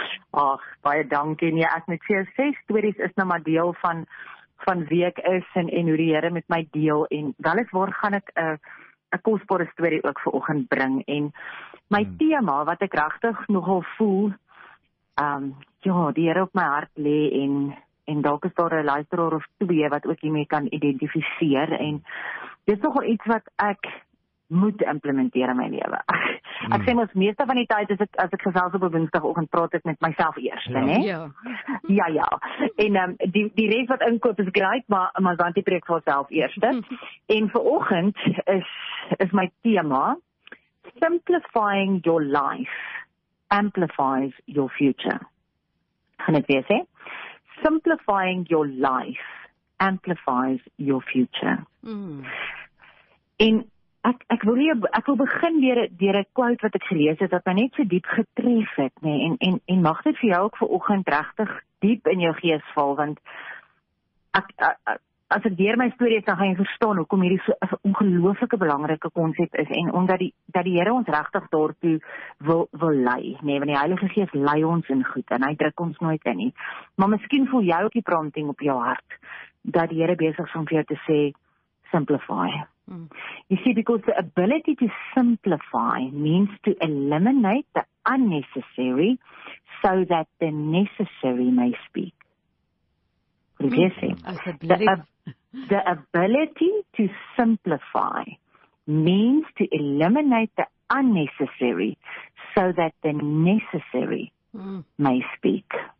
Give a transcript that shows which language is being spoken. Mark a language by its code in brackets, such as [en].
[af] Ach, baie dankie nie, ek moet sê, 6 stories is nou maar deel van wie ek is, en hoe die heren met my deel, en wel is waar gaan ek een kostbare story ook vir oggend bring, en my thema, wat ek regtig nogal voel, die heren op my hart lê, en dalk is daar een luisteraar of twee wat ook hiermee kan identificeer, en dit is nogal iets wat ek moet implementeer in my lewe. Ek sê ons meeste van die tyd, as ek gesels op 'n woensdagoggend praat, ek met myself eers, ja. Nee? Ja. En die res wat inkoop is great, maar Zanti preek vir myself eers. En vanoggend is my thema, [en] simplifying your life amplifies your future. [af] Gaan ek weer sê? [en] Simplifying your life amplifies your future. [af] En ek wil begin deur 'n quote wat ek gelees het, wat my net so diep getref het, nee, en mag dit vir jou ook vanoggend regtig diep in jou gees val, want as ek deur my storie het, dan gaan jy verstaan hoekom hierdie so 'n ongelooflike belangrike konsep is, en omdat dat die Here ons regtig daartoe wil lei, nee, want die Heilige Gees lei ons in goed, en hy druk ons nooit in nie, maar miskien voel jy ook die prompting op jou hart, dat die Here besig is om vir jou te sê, simplify. [en] You see, because the ability to simplify means to eliminate the unnecessary so that the necessary may speak. What do you say? The ability to simplify means to eliminate the unnecessary so that the necessary may speak.